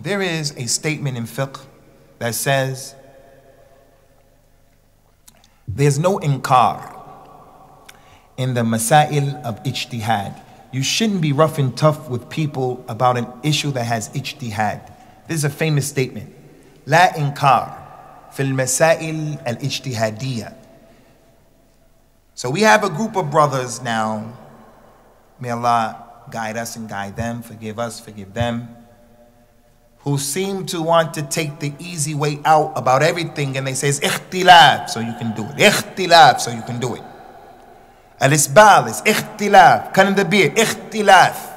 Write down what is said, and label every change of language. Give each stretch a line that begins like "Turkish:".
English: There is a statement in fiqh that says there's no inkar in the masail of ijtihad. You shouldn't be rough and tough with people about an issue that has ijtihad. This is a famous statement.
Arabic: لا إنكار في المسائل الاجتهادية.
English: So we have a group of brothers now. May Allah guide us and guide them, forgive us, forgive them, who seem to want to take the easy way out about everything, and they say, it's اختلاف, so you can do it. اختلاف, so you can do it. Al-Isbal is ikhtilaf, cutting the beard, ikhtilaf.